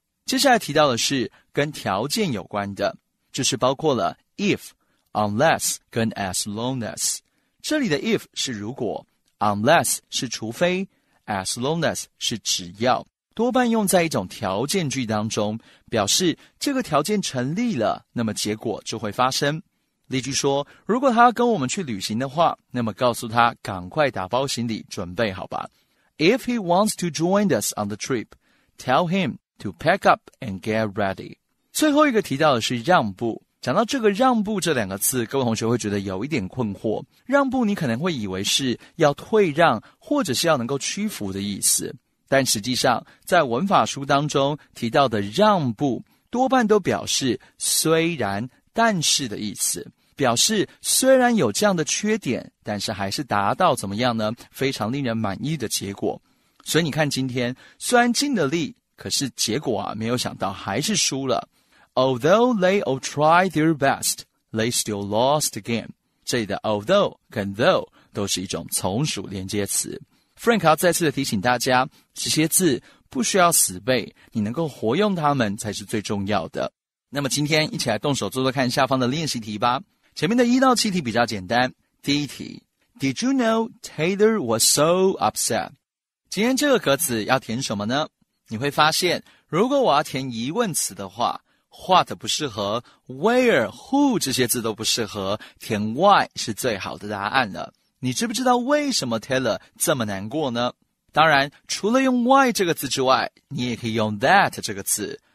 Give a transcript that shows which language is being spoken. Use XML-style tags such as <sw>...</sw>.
<zh>接下来提到的是跟条件有关的就是包括了 if, unless 跟 as long as 这里的 if 是如果 unless 是除非As long as 是只要，多半用在一种条件句当中，表示这个条件成立了，那么结果就会发生。例句说，如果他跟我们去旅行的话，那么告诉他赶快打包行李，准备好吧。</zh> <en>If he wants to join us on the trip, tell him to pack up and get ready.</en> <zh>最后一个提到的是让步。讲到这个让步这两个字各位同学会觉得有一点困惑让步你可能会以为是要退让或者是要能够屈服的意思但实际上在文法书当中提到的让步多半都表示虽然但是的意思表示虽然有这样的缺点但是还是达到怎么样呢非常令人满意的结果所以你看今天虽然尽了力可是结果啊没有想到还是输了</zh> <en>Although they all tried their best, they still lost again.</en> <zh>这里的 although 跟 though 都是一种从属连接词。 Frank 要再次的提醒大家，这些字不需要死背，你能够活用它们才是最重要的。那么今天一起来动手做做看下方的练习题吧。前面的一到七题比较简单。第一题</zh> <en>,Did you know Taylor was so upset?</en> <zh>今天这个格子要填什么呢？你会发现，如果我要填疑问词的话，What 不适合 ,where, who 这些字都不适合填 why 是最好的答案了。你知不知道为什么 Taylor 这么难过呢当然除了用 why 这个字之外你也可以用 that 这个字。</zh>